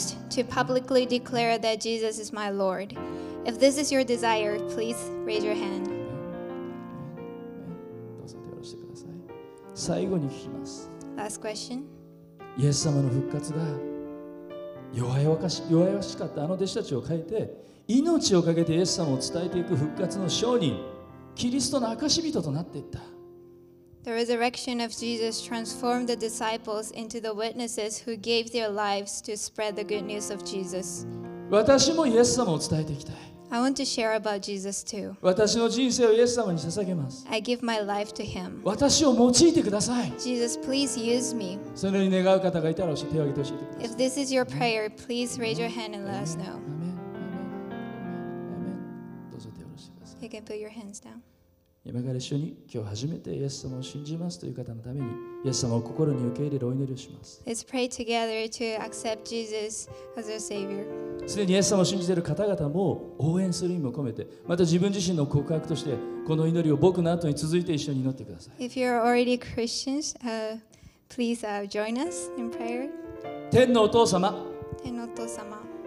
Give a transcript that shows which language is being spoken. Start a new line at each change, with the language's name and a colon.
English: To publicly declare that Jesus is my Lord. If this is your desire, please raise your hand.
Japanese: どうぞ手を下ろしてください。最後に聞きます。
English: Last question.
Japanese: イエス様の復活が弱々しかったあの弟子たちを変えて命を懸けてイエス様を伝えていく復活の証人、キリストの証人となっていった。
English: The resurrection of Jesus transformed the disciples into the witnesses who gave their lives to spread the good news of Jesus.
Japanese: 私もイエス様を伝えていきたい。
English: I want to share about Jesus too.
Japanese: 私の人生をイエス様に捧げます。
English: I give my life to him.
Japanese: 私を用いてください。
English: Jesus, please use me.
Japanese: そのように願う方がいたら手を挙げて教えてください。
English: If this is your prayer, please raise your hand and let us know. Amen.
Japanese: どうぞ手を下ろしてください。
English: You can put your hands down.
Japanese: 今から一緒に今日初めてイエス様を信じますという方のためにイエス様を心に受け入れるお祈りをします。
English: Let's pray together to accept Jesus as our Savior.
Japanese: すでにイエス様を信じている方々も応援する意味を込めてまた自分自身の告白としてこの祈りを僕の後に続いて一緒に祈ってください。
English: If you're already Christians, please join us in prayer.
Japanese: 天のお父様、天のお父様、